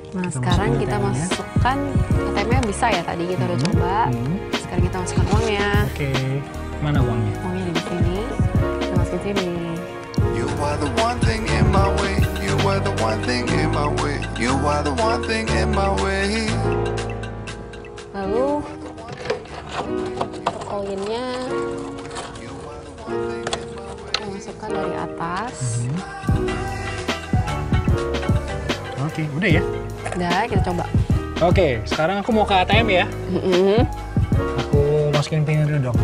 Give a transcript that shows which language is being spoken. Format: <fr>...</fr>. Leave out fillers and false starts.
<id>Nah, sekarang kita masukkan ATM-nya bisa ya tadi kita udah coba. Sekarang kita masukkan uangnya. Oke. Okay. Mana uangnya? Uangnya di sini. Kita masukin sini.</id> <en>You are the one thing in my way. You are the one thing in my way. You are the one thing in my way.</en> <id>Lalu koinnya masukkan dari atas. Oke, okay, udah ya? Udah, kita coba. Oke, okay, sekarang aku mau ke ATM ya. Aku masukin PIN dulu dong.</id>